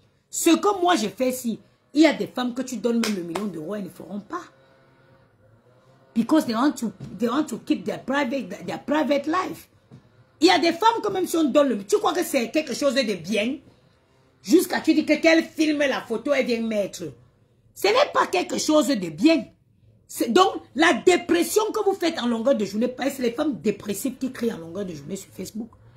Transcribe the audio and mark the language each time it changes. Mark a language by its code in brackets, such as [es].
[fr] Ce que moi je fais, si il y a des femmes que tu donnes même 1 million d'euros, elles ne feront pas. [en] Because they want to keep their private life. [fr] Il y a des femmes que même si on donne le... Tu crois que c'est quelque chose de bien? Jusqu'à tu dis que qu'elle filme la photo, elle vient mettre. Ce n'est pas quelque chose de bien. Donc, la dépression que vous faites en longueur de journée, parce que c'est les femmes dépressives qui crient en longueur de journée sur Facebook.